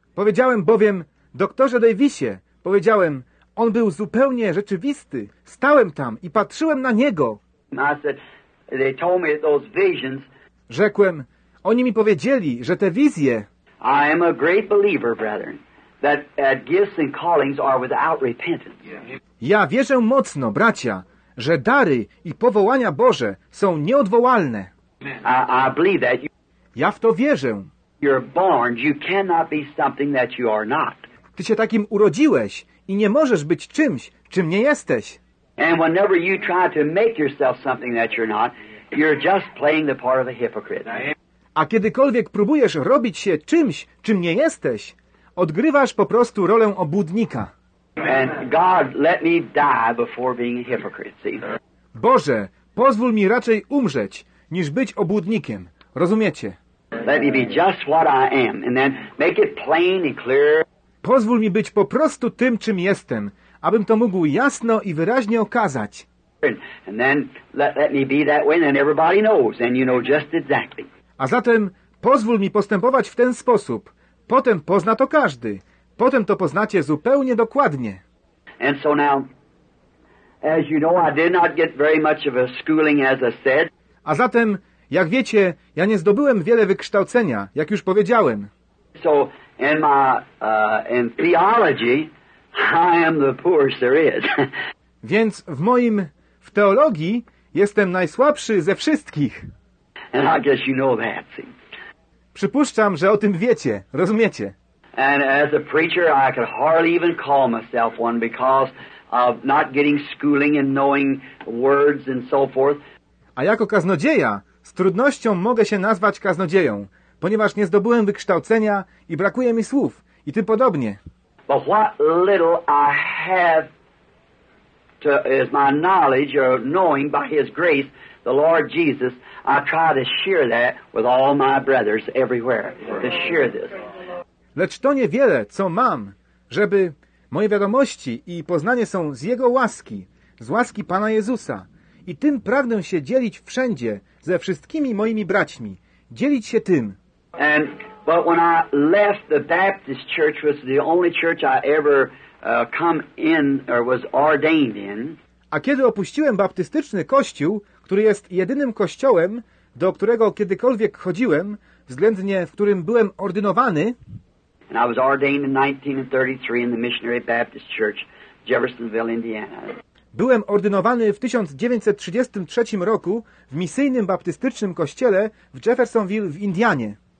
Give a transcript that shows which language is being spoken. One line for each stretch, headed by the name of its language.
Polish: Powiedziałem bowiem, doktorze Davisie, powiedziałem, on był zupełnie rzeczywisty. Stałem tam i patrzyłem na niego.
English: I said, they told me those visions.
Polish: Rzekłem, oni mi powiedzieli, że te wizje.
English: I am a great believer, brethren, that gifts and callings are without repentance.
Polish: Ja wierzę mocno, bracia, że dary i powołania Boże są nieodwołalne.
English: I believe that.
Polish: Ja w to wierzę.
English: You're born, you cannot be something that you are not.
Polish: Ty się takim urodziłeś i nie możesz być czymś, czym nie jesteś.
English: And whenever you try to make yourself something that you're not, you're just playing the part of a hypocrite.
Polish: A kiedykolwiek próbujesz robić się czymś, czym nie jesteś, odgrywasz po prostu rolę obłudnika.
English: And God, let me die before being a hypocrite, see?
Polish: Boże, pozwól mi raczej umrzeć, niż być obłudnikiem. Rozumiecie?
English: Let me be just what I am, and then make it plain and clear.
Polish: Pozwól mi być po prostu tym, czym jestem, abym to mógł jasno i wyraźnie okazać.
English: And then let me be that way, and everybody knows, and you know just exactly.
Polish: A zatem pozwól mi postępować w ten sposób. Potem pozna to każdy. Potem to poznacie zupełnie dokładnie.
English: And so now, as you know, I did not get very much of a schooling, as I said.
Polish: A zatem, jak wiecie, ja nie zdobyłem wiele wykształcenia, jak już powiedziałem.
English: So in my in theology, I am the poorest there is.
Polish: Więc w moim w teologii jestem najsłabszy ze wszystkich.
English: And I guess you know that, see.
Polish: Przypuszczam, że o tym wiecie, rozumiecie.
English: And as a preacher, I could hardly even call myself one because of not getting schooling and knowing words and so forth.
Polish: A jako kaznodzieja z trudnością mogę się nazwać kaznodzieją, ponieważ nie zdobyłem wykształcenia i brakuje mi słów i tym podobnie.
English: But what little I have to is my knowledge or knowing by his grace, the Lord Jesus, I try to share that with all my brothers everywhere, to share this.
Polish: Lecz to niewiele, co mam, żeby moje wiadomości i poznanie są z Jego łaski, z łaski Pana Jezusa. I tym pragnę się dzielić wszędzie, ze wszystkimi moimi braćmi. Dzielić się tym.
English: But when I left the Baptist church, was the only church I ever come in or was ordained in.
Polish: A kiedy opuściłem baptystyczny kościół, który jest jedynym kościołem, do którego kiedykolwiek chodziłem, względnie w którym byłem ordynowany.
English: And I was ordained in 1933 in the Missionary Baptist Church, Jeffersonville, Indiana.
Polish: Byłem ordynowany w 1933 roku w misyjnym baptystycznym kościele w Jeffersonville w Indianie.